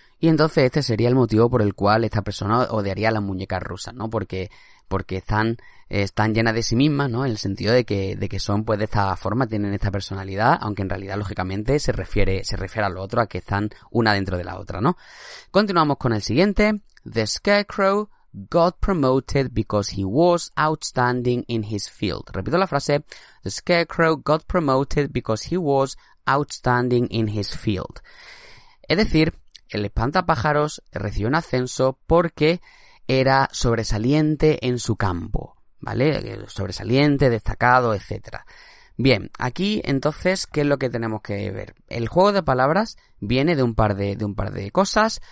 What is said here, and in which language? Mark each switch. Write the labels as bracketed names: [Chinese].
[Spanish] Y entonces este sería el motivo por el cual esta persona odiaría a las muñecas rusas, ¿no? Porque están llenas de sí mismas, ¿no? En el sentido de que son, pues, de esta forma, tienen esta personalidad, aunque en realidad, lógicamente, se refiere a lo otro, a que están una dentro de la otra, ¿no? Continuamos con el siguiente. [English] The Scarecrow got promoted because he was outstanding in his field. [Spanish] Repito la frase. [English] The Scarecrow got promoted because he was outstanding in his field. [Spanish] Es decir, el espantapájaros recibió un ascenso porque era sobresaliente en su campo, ¿vale? Sobresaliente, destacado, etcétera. Bien, aquí entonces, ¿qué es lo que tenemos que ver? El juego de palabras viene de un par de cosas.